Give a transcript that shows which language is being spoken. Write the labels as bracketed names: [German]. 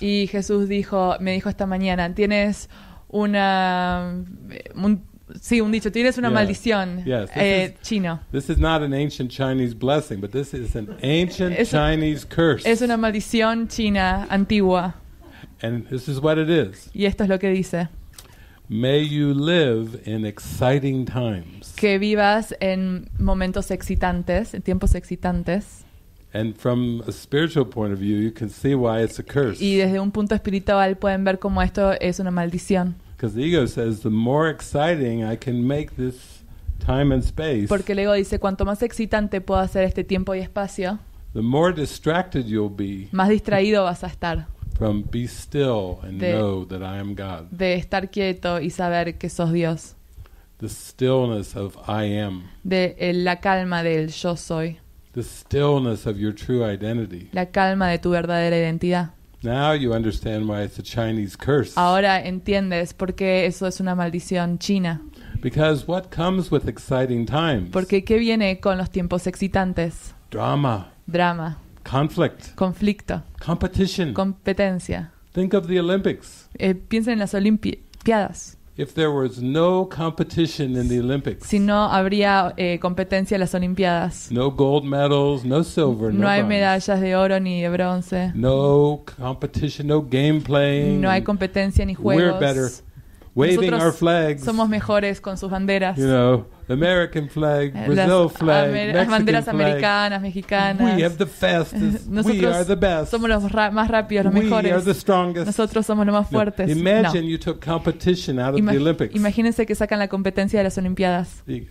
[Spanish] Y Jesús dijo, me dijo esta mañana, tienes una sí, un dicho, tienes una maldición. [English] Yes, [Spanish] chino. [English] This is not an ancient Chinese blessing, but this is an ancient Chinese curse. [Spanish] Es una maldición china antigua. [English] And this is what it is. [Spanish] Y esto es lo que dice. [English] May you live in exciting times. [Spanish] Que vivas en momentos excitantes, en tiempos excitantes. [English] And from a spiritual point of view, you can see why it's a curse. [Spanish] Y desde un punto espiritual pueden ver cómo esto es una maldición. [English] Because the ego says, the more exciting I can make this time and space. [Spanish] Porque el ego dice, cuanto más excitante puedo hacer este tiempo y espacio. [English] The more distracted you'll be. [Spanish] Más distraído vas a estar. [English] From be still and know that I am God. [Spanish] De estar quieto y saber que sos Dios. [English] The stillness of I am. [Spanish] De la calma del yo soy. [English] The stillness of your true identity. [Spanish] La calma de tu verdadera identidad. [English] Now you understand why it's a Chinese curse. [Spanish] Ahora entiendes por qué eso es una maldición china. [English] Because what comes with exciting times? [Spanish] Porque qué viene con los tiempos excitantes? [English] Drama. [Spanish] Drama. [English] Conflict. [Spanish] Conflicto. [English] Competition. [Spanish] Competencia. [English] Think of the Olympics. [Spanish] Piensa en las Olimpiadas. [English] If there was no competition in the Olympics. [Spanish] Si no habría competencia en las Olimpiadas. [English] No gold medals, no silver, [Spanish] no hay medallas de oro ni de bronce. [English] No competition, no game playing. [Spanish] No hay competencia ni juegos. [English] We're better waving [Spanish] nosotros [English] our flags. [Spanish] Somos mejores con sus banderas. [English] You know, American flag, Brazil [Spanish] las [English] flag, Mexican [Spanish] banderas [English] flag. [Spanish] Americanas, mexicanas. [English] We have the fastest. We are the best. [Spanish] Somos los más rápidos, los mejores. [English] We are the strongest. [Spanish] Nosotros somos los más fuertes. [English] No. Imagine you took competition out of the Olympics. [Spanish] Imagínense que sacan la competencia de las Olimpiadas.